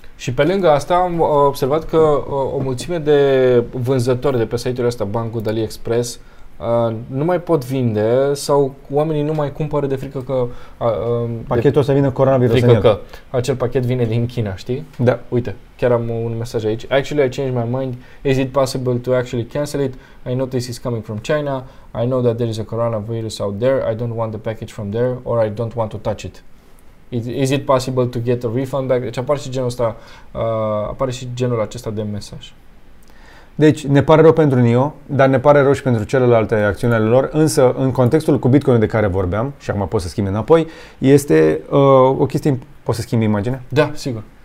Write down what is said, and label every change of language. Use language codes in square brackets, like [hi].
[ro] Și pe lângă asta am observat că o mulțime de vânzători de pe site-urile astea, Banggood, AliExpress, nu mai pot vinde sau oamenii nu mai cumpără de frică că... Pachetul ăsta vine coronavirus. Frică că acel pachet vine din China, știi? Da. Uite, chiar am un mesaj aici. [en] Actually, I changed my mind. Is it possible to actually cancel it? I know this is coming from China. I know that there is a coronavirus out there. I don't want the package from there or I don't want to touch it. Is it possible to get a refund back? [ro] Deci apare și genul ăsta, apare și genul acesta de mesaj. Deci ne pare rău pentru NIO, dar ne pare rău și pentru celelalte acțiuni ale lor, însă în contextul cu Bitcoin de care vorbeam, și acum pot să schimb înapoi, este o chestie, pot să schimb imaginea? Da, sigur.